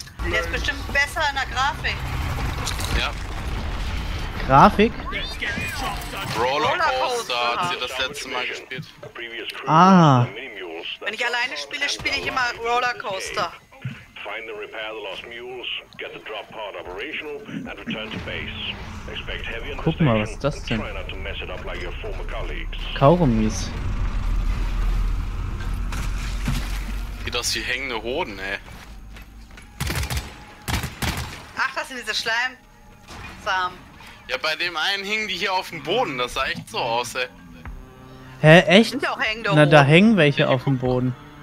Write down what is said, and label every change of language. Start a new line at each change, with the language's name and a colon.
German: Der ist bestimmt besser in der Grafik. Ja. Grafik? Rollercoaster hat sie das letzte Mal gespielt. Ah. Wenn ich alleine spiele, spiele ich immer Rollercoaster.
English: Find the repair the lost mules, get the drop pod operational and return to base. Expect heavy and
German: guck mal, was ist das denn?
English: Try not to mess it up like your former colleagues.
German: Kaugummis. Wie das hier hängende Hoden, ey. Ach, das sind diese Schleimsamen. Ja, bei dem einen hingen die hier auf dem Boden, das sah echt so aus, ey. Hä, echt? Sind auch hängende Hoden. Na, da hängen welche auf dem Boden.